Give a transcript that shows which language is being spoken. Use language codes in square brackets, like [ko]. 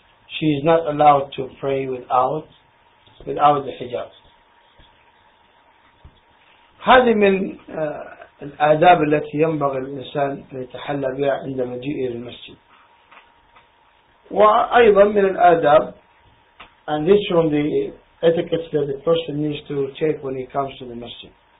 [en] She is not allowed to pray without the hijab. [ar] هذه من الآداب التي ينبغي الإنسان أن يتحلى بها عند مجيئه إلى المسجد. وأيضا من الآداب, [en] and this from the etiquette that the person needs to take when he comes to the masjid.